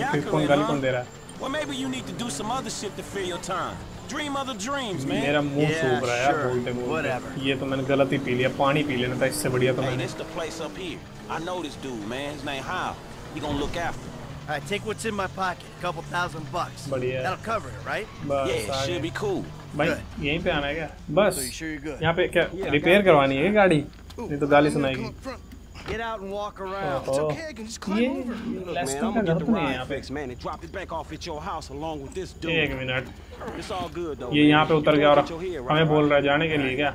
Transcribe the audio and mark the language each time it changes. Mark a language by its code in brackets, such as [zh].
[hi] कौन गाली कौन दे रहा है? मेरा मुंह सूख रहा है यार बोलते बोलते। ये तो मैंने गलत ही पी लिया, पानी पी लेना था इससे बढ़िया तो मैंने। [en] I take what's in my pocket, a couple thousand bucks. [hi] बढ़िया। [en] That'll cover it, right? [hi] बस, [en] yeah, it should be cool. [hi] भाई यहीं पे आना है क्या? [en] बस so you're sure you're good. [hi] यहाँ पे क्या रिपेयर करवानी है गाड़ी? नहीं तो गाली सुनाएगी। [en] Get out and walk around. It's okay, I can just climb over. Man, I'm gonna get the ride fix. Drop it back off at your house along with this dude. [hi] एक minute. [en] It's all good though. [hi] ये यहाँ पे उतर गया और हमें बोल रहा है जाने के लिए क्या?